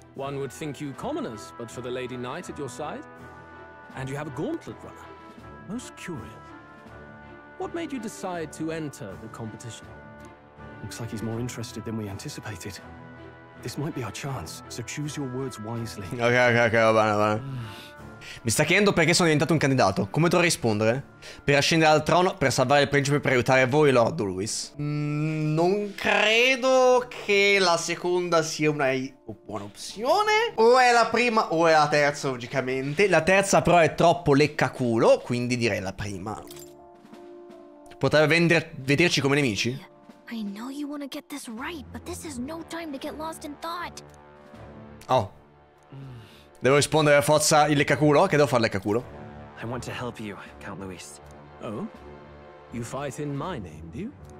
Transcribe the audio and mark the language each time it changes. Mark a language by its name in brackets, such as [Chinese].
[English] One would think you commoners, but for the lady knight at your side, and you have a gauntlet runner. Most curious. What made you decide to enter the competition? Looks like he's more interested than we anticipated. This might be our chance, so choose your words wisely. [Italian] Ok, va bene, va bene. Mi sta chiedendo perché sono diventato un candidato. Come dovrei rispondere? Per ascendere al trono, per salvare il principe, per aiutare voi, Lord Luis. Non credo che la seconda sia una buona opzione. O è la prima o è la terza, logicamente. La terza però è troppo leccaculo, quindi direi la prima. Potrebbe vederci come nemici? [English] I know you want to get this right, but this is no time to get lost in thought. [Italian] Oh. Devo rispondere a forza il leccaculo? Che devo fare il leccaculo? [English] I want to help you, Count Luis. Oh? You fight in my name, do you?